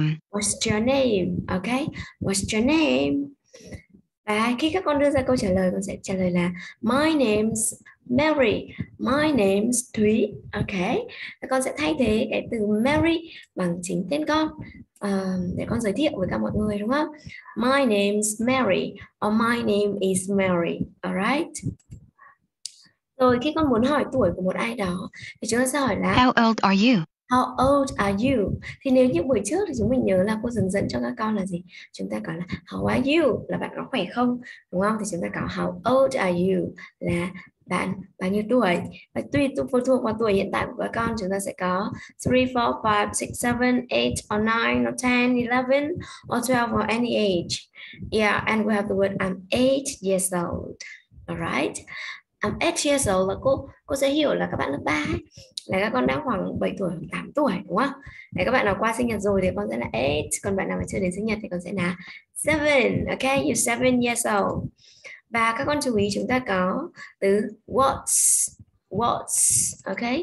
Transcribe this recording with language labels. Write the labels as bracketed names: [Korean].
[English] what's your name? Okay, what's your name? [Vietnamese] Và khi các con đưa ra câu trả lời, con sẽ trả lời là [English] my name's Mary, my name's Thúy. [Vietnamese] Okay, và con sẽ thay thế cái từ Mary bằng chính tên con để con giới thiệu với cả mọi người đúng không? [English] My name's Mary or my name is Mary. [Vietnamese] Rồi khi con muốn hỏi tuổi của một ai đó thì chúng ta sẽ hỏi là [English] How old are you? how old are you? [Vietnamese] Thì nếu như buổi trước thì chúng mình nhớ là cô dừng dẫn cho các con là gì? Chúng ta có là [English] how are you? [Vietnamese] Là bạn có khỏe không? Đúng không? Thì chúng ta có [English] how old are you? [Vietnamese] Là bạn bao nhiêu tuổi? Và tùy phụ thuộc vào tuổi hiện tại của các con, chúng ta sẽ có 3, 4, 5, 6, 7, 8, [English] or 9, or 10, 11, or 12, or any age. Yeah, and we have the word I'm 8 years old. Alright? I'm 8 years old [Vietnamese] là cô sẽ hiểu là các bạn lớp 3 ấy, là các con đã khoảng 7 tuổi, 8 tuổi đúng không? Đấy, các bạn nào qua sinh nhật rồi thì con sẽ là 8, còn bạn nào mà chưa đến sinh nhật thì con sẽ là 7, ok? [English] You're 7 years old. [Vietnamese] Và các con chú ý chúng ta có từ what's, ok?